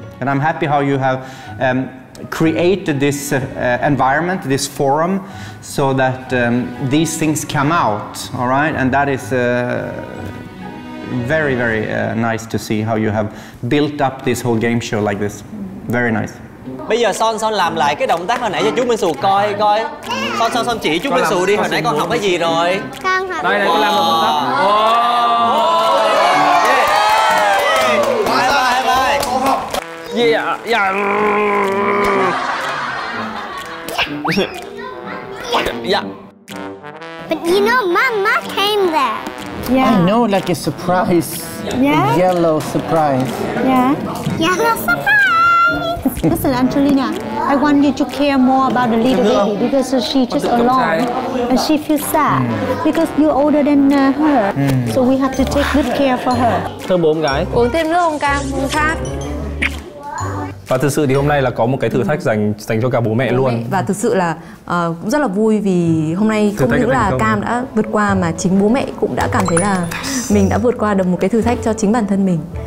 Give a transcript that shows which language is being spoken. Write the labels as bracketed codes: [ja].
[en] And I'm happy how you have created this environment, this forum, so that these things come out, all right? And that is very, very nice to see how you have built up this whole game show like this. Very nice. [vi] Bây giờ Son làm lại cái động tác hồi nãy cho chú Minh Sù coi. Son chỉ chú Minh Sù đi, hồi nãy con học cái gì rồi? Con học. Đây này, con làm một động tác. Oh. Yeah. Hai bài, hai bài. Yeah, yeah. [en] Yeah. But you know, Mama came there. Yeah. I know, like a surprise. Yeah. A yellow surprise. Yeah. Yellow surprise. Listen, Angelina, I want you to care more about the little baby because she's just alone and she feels sad because you're older than her. So we have to take good care for her. [vi] Thơm bố gái. Uống thêm nước không Cam? Uống khác. Và thực sự thì hôm nay là có một cái thử thách dành cho cả bố mẹ luôn. Và thực sự là cũng rất là vui vì hôm nay không những là Cam đã vượt qua mà chính bố mẹ cũng đã cảm thấy là mình đã vượt qua được một cái thử thách cho chính bản thân mình.